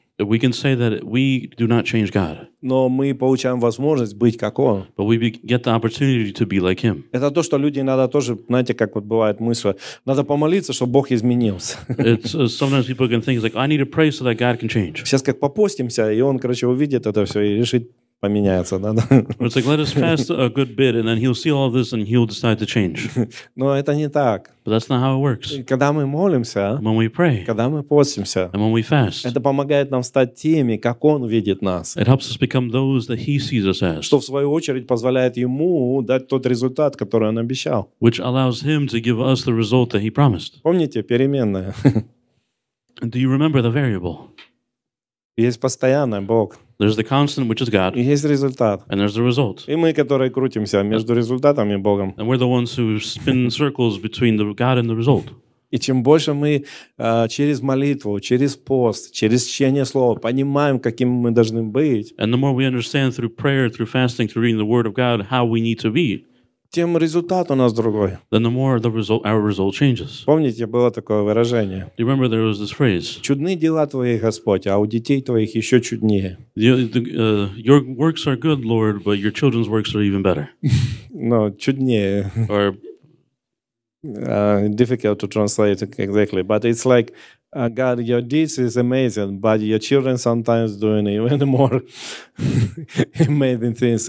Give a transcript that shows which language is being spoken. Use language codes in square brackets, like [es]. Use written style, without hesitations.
[en] We can say that we do not change God. [ru] Но мы получаем возможность быть как Он. [en] But we get the opportunity to be like Him. [ru] Это то, что люди иногда тоже, знаете, как вот бывает мысль, надо помолиться, чтобы Бог изменился. [en] It's, sometimes people can think, like, I need to pray so that God can change. [ru] Сейчас как попостимся, и Он, короче, увидит это все и решит поменяться. Да? [en] It's like, let us fast a good bit, and then He'll see all this, and He'll decide to change. [ru] Но это не так. [en] But that's not how it works. [ru] Когда мы молимся, [en] when we pray, [ru] когда мы постимся, [en] and when we fast, [ru] это помогает нам стать теми, как Он видит нас. [en] It helps us become those that He sees us as. [ru] Что в свою очередь позволяет Ему дать тот результат, который Он обещал. [en] Which allows Him to give us the result that He promised. [ru] Помните, переменная. [en] Do you remember the variable? [ru] Есть постоянный Бог. [en] There's the constant, which is God. [ru] И есть результат. [en] And there's the result. [ru] И мы, которые крутимся между результатом и Богом. [en] And we're the ones who spin circles between the God and the result. [ru] И чем больше мы через молитву, через пост, через чтение Слова понимаем, каким мы должны быть. [en] And the more we understand through prayer, through fasting, through reading the Word of God, how we need to be. [ru] Тем результат у нас другой. [en] Then the more the result, our result changes. [ru] Помните, было такое выражение? [en] Do you remember there was this phrase? [ru] Чудны дела твои, Господь, а у детей твоих еще чуднее. [en] Your works are good, Lord, but your children's works are even better. [ru] No, чуднее. [en] Or difficult to translate exactly, but it's like, God, your deeds is amazing, but your children sometimes doing even more amazing things.